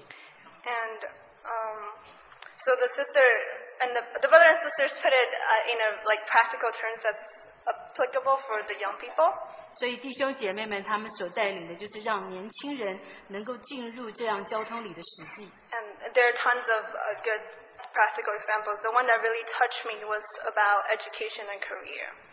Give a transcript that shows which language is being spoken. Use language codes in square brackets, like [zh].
[en] so the sister and the brother and sisters put it in a like practical terms that's applicable for the young people. [zh] 所以弟兄姐妹们，他们所带领的就是让年轻人能够进入这样交通里的实际。 [en] There are tons of good practical examples. The one that really touched me was about education and career.